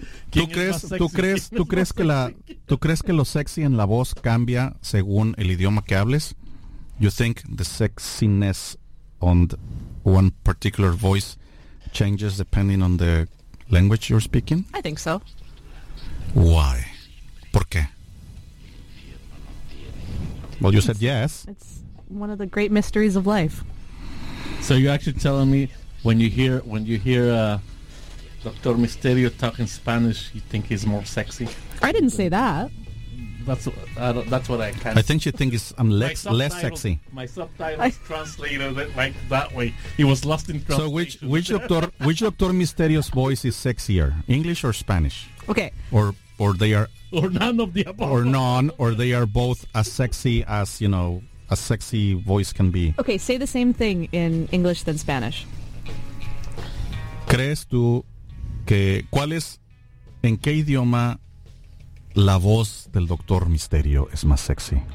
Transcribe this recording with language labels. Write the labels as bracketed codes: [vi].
[es] ¿Tú crees que lo sexy en la voz cambia según el idioma que hables? [en] You think the sexiness on one particular voice changes depending on the language you're speaking? I think so. Why? [es] ¿Por qué? [en] Well, you said yes. It's one of the great mysteries of life. So you're actually telling me when you hear Dr. Misterio talking Spanish, you think he's more sexy? I didn't say that. That's what I kind of... I think you think I'm less sexy. My subtitles translated it like that way. He was lost in translation. So which Dr. Misterio's voice is sexier, English or Spanish? Okay. Or none of the above. Or none, or they are both as sexy as, you know, a sexy voice can be. Okay, say the same thing in English than Spanish. [es] ¿Crees tú que, cuál es, en qué idioma la voz del Doctor Misterio es más sexy?